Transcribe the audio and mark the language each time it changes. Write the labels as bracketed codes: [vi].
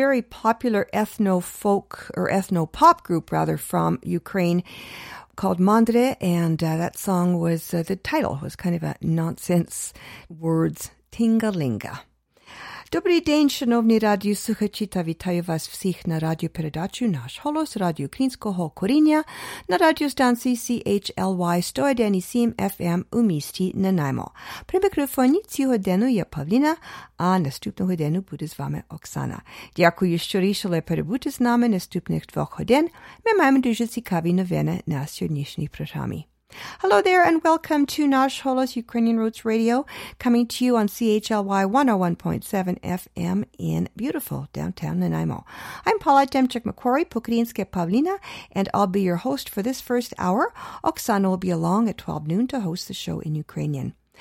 [en] Popular ethno-folk or ethno-pop group rather from Ukraine called Mandre, and that song was the title was kind of a nonsense words, Tingalinga. [uk] Добрий день, шановні радіослухачі, та вітаю вас всіх на радіопередачі «Наш голос» радіо Українського коріння на радіостанції CHLY 101.7 FM у місті Нанаймо. При мікрофоні цього дню я Павліна, а наступного дню буде з вами Оксана. Дякую, що рішили перебути з нами наступних двох годин. Ми маємо дуже цікаві новини на сьогоднішній програмі. [en] Hello there and welcome to Nash Holos Ukrainian Roots Radio, coming to you on CHLY 101.7 FM in beautiful downtown Nanaimo. I'm Paula Demchuk-McQuarrie, Pokrinske Pavlina, and I'll be your host for this first hour. Oksana will be along at 12 noon to host the show in Ukrainian.